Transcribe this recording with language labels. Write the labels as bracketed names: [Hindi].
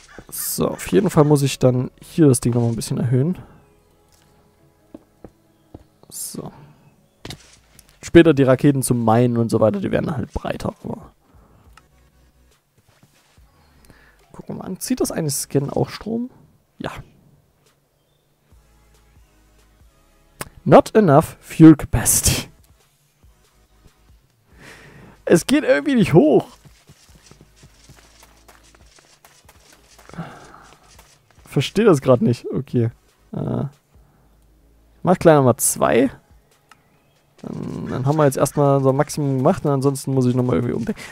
[German] So, auf jeden Fall muss ich dann hier das Ding nochmal ein bisschen erhöhen. So. Später die Raketen zum Minen und so weiter, die werden halt breiter. Aber gucken wir mal an. Zieht das eine Scan auch Strom? Ja. [English] Not enough fuel capacity. [German] Es geht irgendwie nicht hoch. Verstehe das gerade nicht. Okay. Mach kleiner mal 2. Dann haben wir jetzt erstmal so ein Maximum gemacht und ansonsten muss ich nochmal irgendwie umdenken.